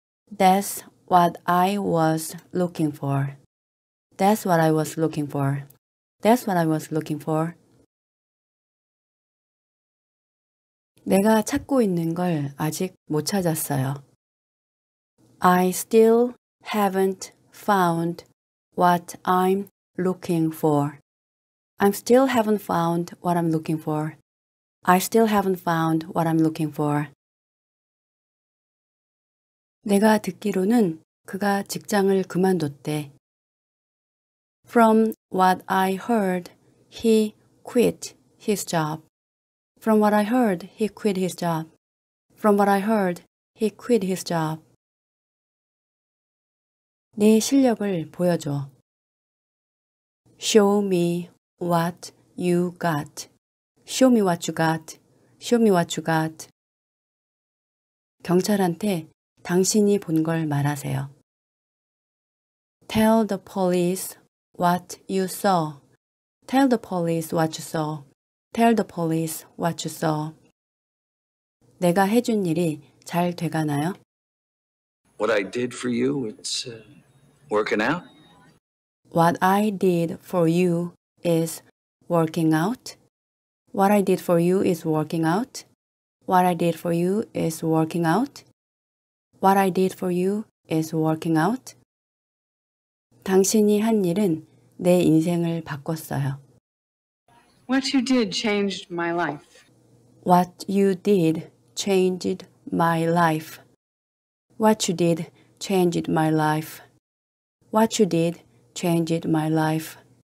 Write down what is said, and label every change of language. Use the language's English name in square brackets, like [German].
[English] That's what I was looking for. That's what I was looking for. That's what I was looking for. [Korean] 내가 찾고 있는 걸 아직 못 찾았어요. [English] I still haven't found what I'm looking for. I still haven't found what I'm looking for. I still haven't found what I'm looking for. [Korean] 내가 듣기로는 그가 직장을 그만뒀대. [English] From what I heard, he quit his job. From what I heard, he quit his job. From what I heard, he quit his job. [Korean] 내 실력을 보여줘. [English] Show me what you got. Show me what you got. Show me what you got. [Korean] 경찰한테 당신이 본 걸 말하세요. [English] Tell the police what you saw. Tell the police what you saw. Tell the police what you saw. [Korean] 내가 해준 일이 잘 돼가나요? [English] What I did for you, it's working out. What I did for you is working out. What I did for you is working out. What I did for you is working out. What I did for you is working out. [Korean] 당신이 한 일은 내 인생을 바꿨어요. [English] What you did changed my life. What you did changed my life. What you did changed my life. What you did changed my life.